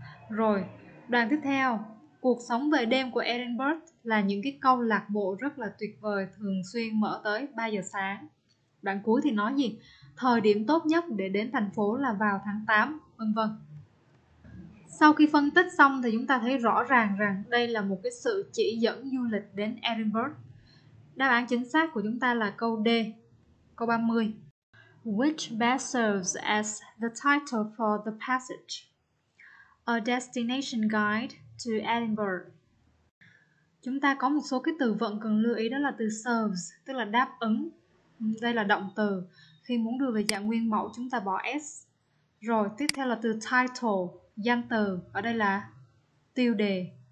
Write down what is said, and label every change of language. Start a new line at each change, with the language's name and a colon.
Vietnamese: Rồi, đoạn tiếp theo, cuộc sống về đêm của Edinburgh là những cái câu lạc bộ rất là tuyệt vời, thường xuyên mở tới 3 giờ sáng. Đoạn cuối thì nói gì? Thời điểm tốt nhất để đến thành phố là vào tháng 8, vân vân. Sau khi phân tích xong thì chúng ta thấy rõ ràng rằng đây là một cái sự chỉ dẫn du lịch đến Edinburgh. Đáp án chính xác của chúng ta là câu D, câu 30.
English: Which best serves as the title for the passage? A destination guide to Edinburgh.
Vietnamese: Chúng ta có một số cái từ vựng cần lưu ý, đó là từ serves, tức là đáp ứng. Đây là động từ. Khi muốn đưa về dạng nguyên mẫu chúng ta bỏ S. Rồi, tiếp theo là từ title, danh từ, ở đây là tiêu đề.